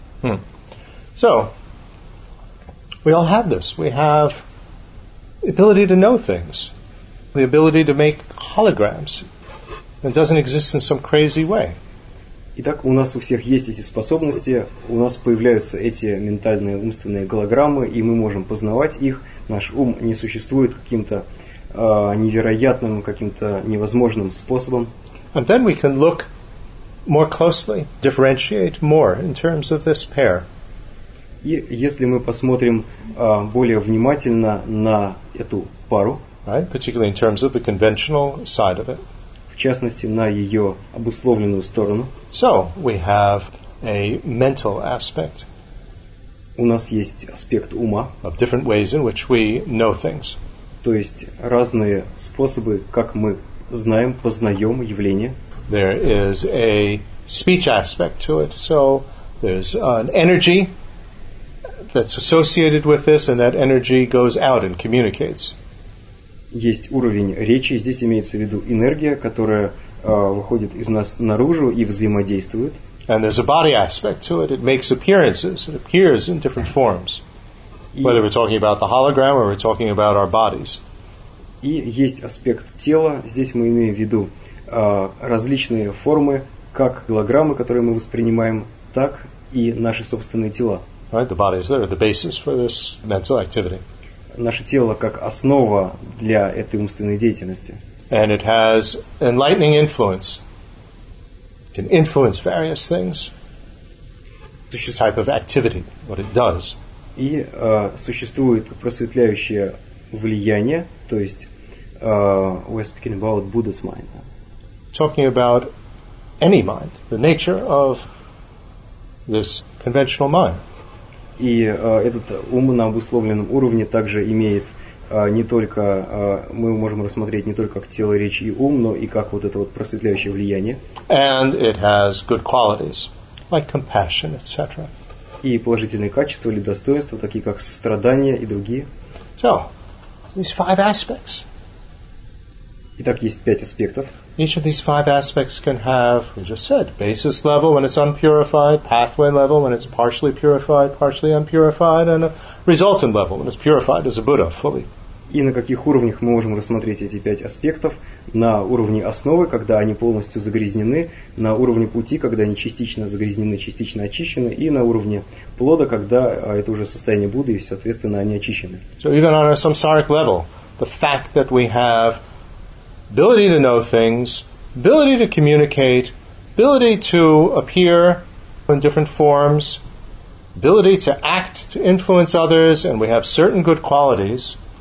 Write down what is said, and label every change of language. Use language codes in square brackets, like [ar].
[en] Hmm. So, we all have this. We have the ability to know things, the ability to make holograms. It doesn't exist in some crazy way. [ru] Итак, у нас у всех есть эти способности, у нас появляются эти ментальные умственные голограммы, и мы можем познавать их. Наш ум не существует каким-то невероятным, каким-то невозможным способом. [en] And then we can look more closely, differentiate more in terms of this pair. [ru] И если мы посмотрим более внимательно на эту пару, [en] right? Particularly in terms of the conventional side of it. [ru] В частности, на ее обусловленную сторону. [en] So, we have a mental aspect. [ru] У нас есть аспект ума. [en] Of different ways in which we know things. [ru] То есть разные способы, как мы знаем, познаем явления. [en] There is a speech aspect to it. So there's an energy that's associated with this, and that energy goes out and communicates. [ru] Есть уровень речи. Здесь имеется в виду энергия, которая выходит из нас наружу и взаимодействует. [en] And there's a body aspect to it. It makes appearances. It appears in different forms. Whether we're talking about the hologram or we're talking about our bodies. [ru] И есть аспект тела. Здесь мы имеем в виду различные формы, как голограммы, которые мы воспринимаем, так и наши собственные тела. [en] Right, the bodies that are the basis for this mental activity. [ru] Наше тело как основа для этой умственной деятельности. [en] And it has enlightening influence. It can influence various things. It's a type of activity, what it does. [ru] И существует просветляющее влияние, то есть [en] we're speaking about Buddha's mind. Talking about any mind, the nature of this conventional mind. [ru] И этот ум на обусловленном уровне также имеет не только мы можем рассмотреть не только как тело, речь и ум, но и как вот это вот просветляющее влияние. [en] And it has good qualities, like compassion, etc. [ru] И положительные качества или достоинства, такие как сострадание и другие. [en] So, these five aspects. [ru] Итак, есть пять аспектов. [en] Each of these five aspects can have, we just said, basis level when it's unpurified, pathway level when it's partially purified, partially unpurified, and a resultant level when it's purified as a Buddha fully. [ru] И на каких уровнях мы можем рассмотреть эти пять аспектов? На уровне основы, когда они полностью загрязнены, на уровне пути, когда они частично загрязнены, частично очищены, и на уровне плода, когда это уже состояние Будды, и, соответственно, они очищены. [en] So even on a samsaric level, the fact that we have ability to know things, ability to communicate, ability to appear in different forms, ability to act, to influence others, and we have certain good qualities.